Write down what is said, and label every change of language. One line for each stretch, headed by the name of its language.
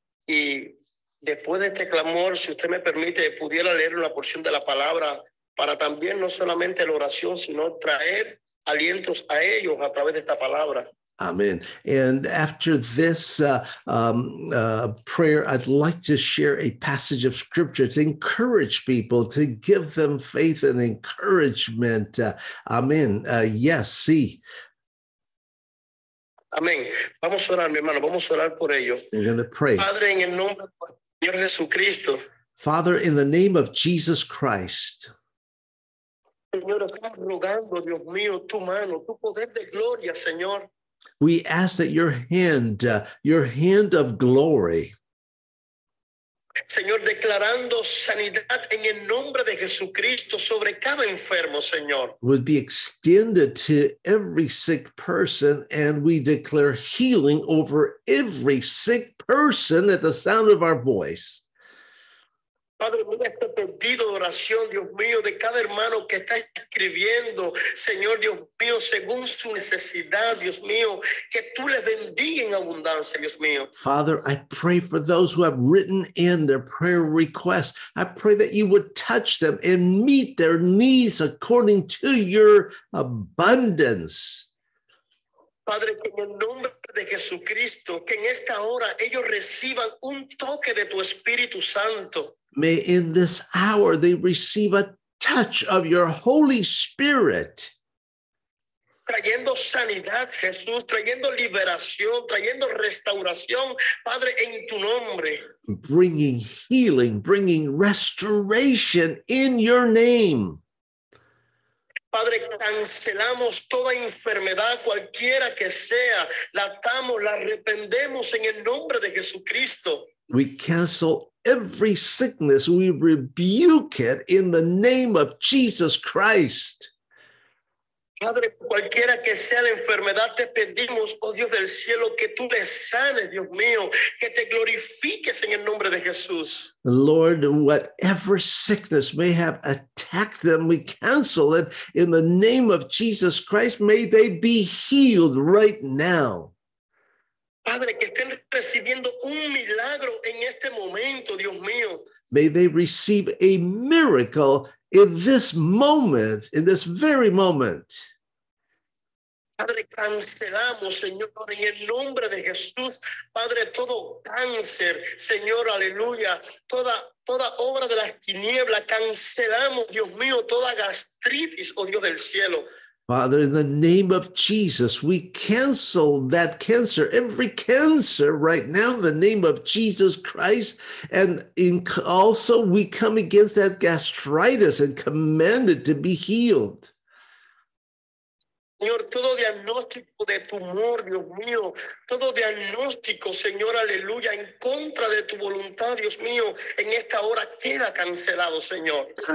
Spanish: Y después de este clamor, si usted me permite, pudiera leer una porción de la palabra para también no solamente la oración, sino traer alientos a ellos a través de esta palabra.
English: Amen. And after this prayer, I'd like to share a passage of scripture to encourage people, to give them faith and encouragement. Amen. Yes, sí.
Spanish: Amen. Vamos a orar, mi hermano. Vamos a orar por ello.
English: We're going to pray.
Spanish: Padre, en el nombre del Señor Jesucristo.
English: Father, in the name of Jesus Christ.
Spanish: Señor, estamos rogando, Dios mío, tu mano, tu poder de gloria, Señor.
English: We ask that your hand of glory,
Spanish: Señor, declarando sanidad en el nombre de Jesucristo sobre cada enfermo, Señor,
English: would be extended to every sick person, and we declare healing over every sick person at the sound of our voice.
Spanish: Padre, mira este pedido de oración, Dios mío, de cada hermano que está escribiendo, Señor, Dios mío, según su necesidad, Dios mío, que tú les bendiga en abundancia, Dios mío.
English: Father, I pray for those who have written in their prayer request. I pray that you would touch them and meet their needs according to your abundance.
Spanish: Padre, que en el nombre de Jesucristo, que en esta hora ellos reciban un toque de tu Espíritu Santo.
English: May in this hour they receive a touch of your Holy Spirit.
Spanish: Trayendo sanidad, Jesús, trayendo liberación, trayendo restauración, Padre, en tu nombre.
English: Bringing healing, bringing restoration in your name.
Spanish: Padre, cancelamos toda enfermedad, cualquiera que sea, la atamos, la reprendemos en el nombre de Jesucristo.
English: We cancel every sickness, we rebuke it in the name of Jesus Christ.
Spanish: Padre, cualquiera que sea la enfermedad, te pedimos, oh Dios del cielo, que tú le sanes, Dios mío, que te glorifiques en el nombre de Jesús.
English: Lord, whatever sickness may have attacked them, we cancel it in the name of Jesus Christ. May they be healed right now.
Spanish: Padre, que estén recibiendo un milagro en este momento, Dios mío.
English: May they receive a miracle in this moment, in this very moment.
Spanish: Padre, cancelamos, Señor, en el nombre de Jesús, Padre, todo cáncer, Señor, aleluya, toda obra de las tinieblas, cancelamos, Dios mío, toda gastritis, oh Dios del cielo.
English: Father, in the name of Jesus, we cancel that cancer, every cancer right now, in the name of Jesus Christ. And in, also, we come against that gastritis and command it to be healed.
Spanish: Señor, todo diagnóstico de tumor, Dios mío, todo diagnóstico, Señor, aleluya, en contra de tu voluntad, Dios mío, en esta hora queda cancelado, Señor.